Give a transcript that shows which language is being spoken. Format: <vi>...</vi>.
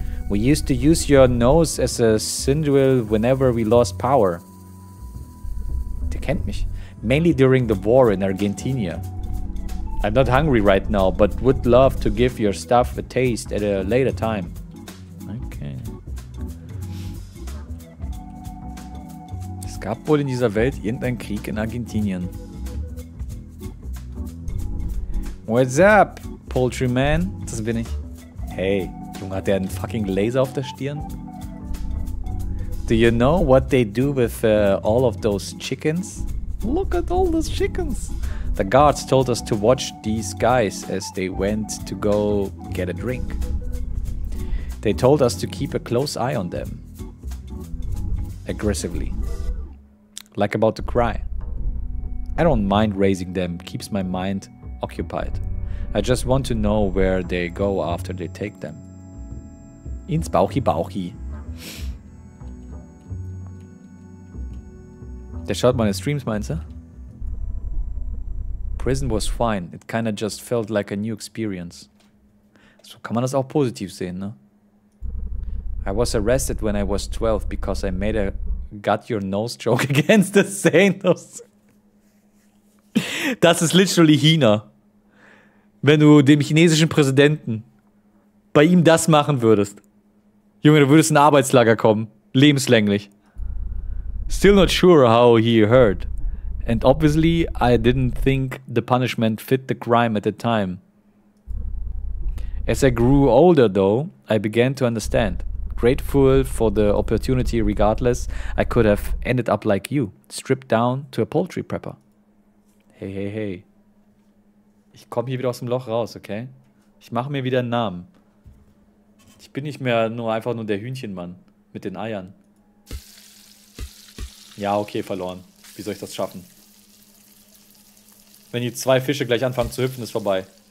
<en>We used to use your nose as a sigil whenever we lost power.</en> <de>Der kennt mich.</de> <en>Mainly during the war in Argentina. I'm not hungry right now, but would love to give your stuff a taste at a later time. Okay.</en> <de>Es gab wohl in dieser Welt irgendein Krieg in Argentinien.</de> <en>What's up, Poultry Man?</en> <de>Das bin ich. Hey, Junge, hat der einen fucking Laser auf der Stirn?</de> <en>Do you know what they do with all of those chickens? Look at all those chickens. The guards told us to watch these guys as they went to go get a drink. They told us to keep a close eye on them. Aggressively. Like about to cry. I don't mind raising them, keeps my mind occupied. I just want to know where they go after they take them.</en> <de>Ins Bauchi Bauchi. Der schaut meine Streams, meinst du?</de> <en>Prison was fine. It kinda just felt like a new experience.</en> <de>So kann man das auch positiv sehen, ne?</de> <en>I was arrested when I was 12 because I made a got your nose joke against the Saints.</en> <de>Das ist literally Hina. Wenn du dem chinesischen Präsidenten bei ihm das machen würdest. Junge, du würdest in ein Arbeitslager kommen. Lebenslänglich.</de> <en>Still not sure how he hurt. And obviously, I didn't think the punishment fit the crime at the time. As I grew older, though, I began to understand. Grateful for the opportunity regardless, I could have ended up like you, stripped down to a poultry prepper. Hey, hey, hey.</en> <de>Ich komme hier wieder aus dem Loch raus, okay? Ich mache mir wieder einen Namen. Ich bin nicht mehr nur einfach nur der Hühnchenmann mit den Eiern. Ja, okay, verloren. Wie soll ich das schaffen? Wenn die zwei Fische gleich anfangen zu hüpfen, ist vorbei.</de>